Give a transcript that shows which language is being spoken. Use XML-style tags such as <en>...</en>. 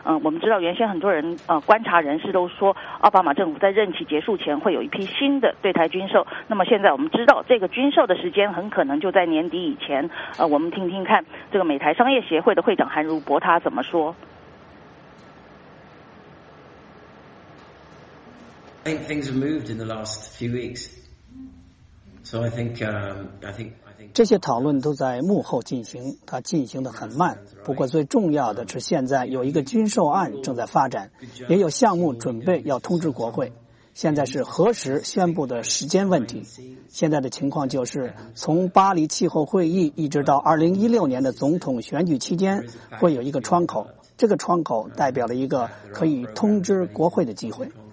<zh>我们知道原先很多人观察人士都说奥巴马政府在任期结束前会有一批新的对台军售，那么现在我们知道这个军售的时间很可能就在年底以前。我们听听看这个美台商业协会的会长韩如博他怎么说。</zh> <en>I think things have moved in the last few weeks.</en> <zh>这些讨论都在幕后进行，它进行得很慢，不过最重要的是现在有一个军售案正在发展，也有项目准备要通知国会，现在是何时宣布的时间问题。现在的情况就是从巴黎气候会议一直到2016年的总统选举期间会有一个窗口，这个窗口代表了一个可以通知国会的机会。</zh>